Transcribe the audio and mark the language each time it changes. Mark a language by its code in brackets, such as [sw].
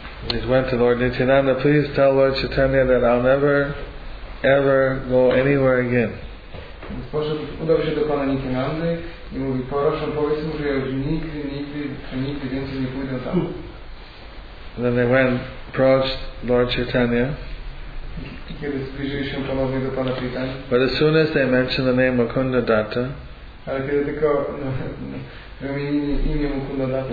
[en] He went to Lord Nityananda, "Please tell Lord Chaitanya that I'll never ever go anywhere again. [pl] Udał się do Pana Nityanandy i mówi: Proszę, powiedz mu, że ja już nigdy więcej nie pójdę tam. [en] Then they went, approached Lord Chaitanya. [pl] Kiedy zbliżyli się ponownie do Pana Chaitanya. [en] But as soon as they mentioned the name Mukunda Datta, [pl] ale kiedy tylko wymienili imię Mukunda Datta,